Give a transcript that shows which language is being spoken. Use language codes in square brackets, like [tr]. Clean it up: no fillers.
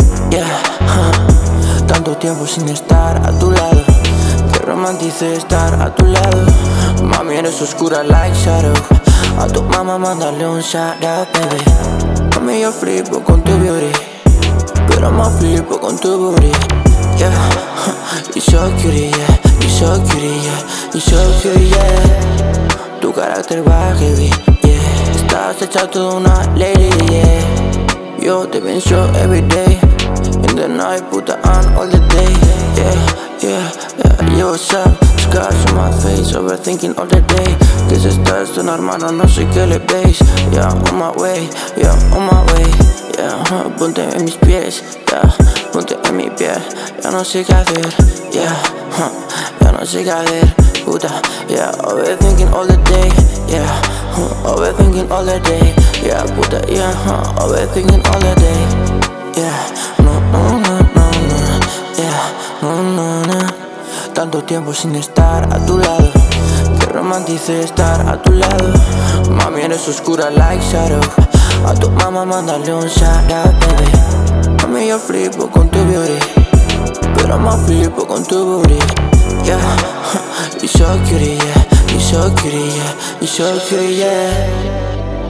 [es] Yeah, tanto tiempo sin estar a tu lado. Qué romántico estar a tu lado. Mami, eres oscura [en] like shadow. [es] A tu mamá mándale un [en] shout out, baby. [es] Mami, yo flipo con tu beauty, pero más flipo con tu booty. [en] Yeah, you're so cutie, yeah. You're so cutie, yeah. You're so cutie, yeah. [es] Tu carácter va heavy, yeah. Estás hecha toda una lady, yeah. Yo te pienso [en] every day. In the night, put on all the day. Yeah, yeah, yeah. Yo, what's up? Scars on my face, overthinking all the day. [es] Que si estás tu hermano, no sé qué le veis. [en] Yeah, I'm on my way, yeah, I'm on my way. [es] Yeah, ponte en mis pies, yeah. Ponte en mi piel, ya no sé qué hacer. Yeah, ya no sé qué hacer, puta. [en] Yeah, overthinking all the day. Yeah, overthinking all the day. Yeah, puta, yeah, overthinking all the day. Yeah, no, no, no, no, no. Yeah, no, no, no. [es] Tanto tiempo sin estar a tu lado. Qué romántico estar a tu lado. Mami, eres oscura [en] like shadow. [es] A tu mamá mándale un [en] shout out, baby. [es] Mami, yo flipo con tu beauty, pero más flipo con tu booty. [en] Yeah, you're so cutie, yeah. You're so cutie, yeah. You're so cutie, yeah.